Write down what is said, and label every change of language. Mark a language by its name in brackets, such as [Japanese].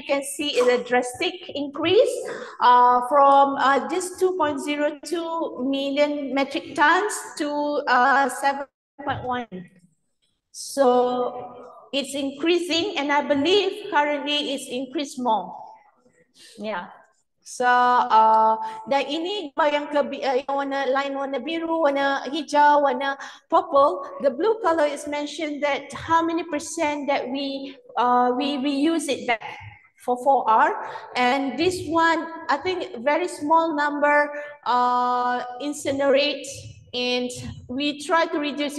[English] You can see is a drastic increase from just 2.02 million metric tons to 7.1. So it's increasing, and I believe currently it's increased more. Yeah. [Indonesian] So dan ini yang warna lain, warna biru, warna hijau, warna purple. [English] The blue color is mentioned that how many percent that we use it back for 4R. And this one, I think very small number incinerate, and we try to reduce.